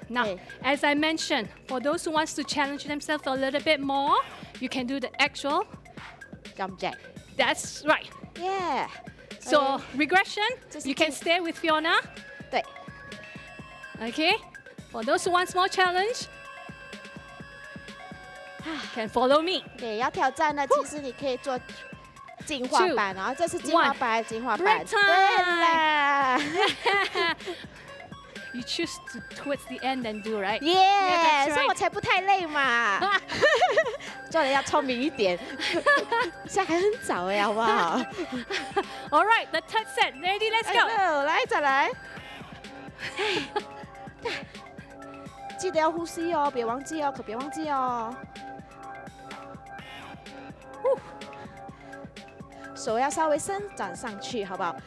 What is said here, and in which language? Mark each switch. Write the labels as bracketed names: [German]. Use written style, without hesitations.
[English] Now, as I mentioned, for those who wants to challenge themselves a little bit more, you can do the actual jump jack. That's right. Yeah. So regression, you can stay with Fiona. [Chinese] 对. [English] Okay. For those who wants more challenge, can follow me. [Chinese] 对，要挑战呢，其实你可以做。进化版，然后这是进化版，进化版，对了。 [English] You choose to towards the end and do right. [Chinese] Yeah, 所以我才不太累嘛。做的要聪明一点。现在还很早哎，好不好 [English] ？All right, the third set, ready, let's go. [Chinese] 来，再来。记得要呼吸哦，别忘记哦，可别忘记哦。手要稍微伸展上去，好不好？